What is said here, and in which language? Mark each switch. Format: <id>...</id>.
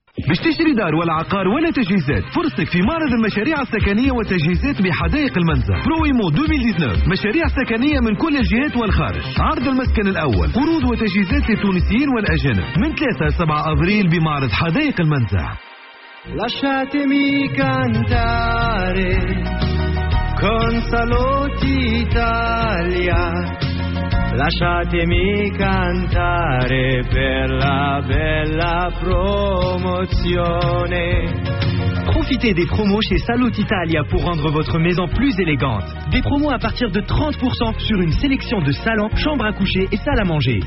<ar>مش تشتري دار ولا عقار ولا تجهيزات، فرصك في معرض المشاريع السكنية والتجهيزات بحدائق المنزل برويمو 2019. مشاريع سكنية من كل الجهات والخارج، عرض المسكن الأول، قروض وتجهيزات للتونسيين والأجانب من 3-7 أبريل بمعرض حدائق المنزل.</ar> <it>لشاتمي كانتاري كونسالوتي إيطاليا، lasciatemi cantare per la bella promozione.</it> <fr>Profitez des promos chez Salut Italia pour rendre votre maison plus élégante. Des promos à partir de 30% sur une sélection de salons, chambres à coucher et salles à manger.</fr>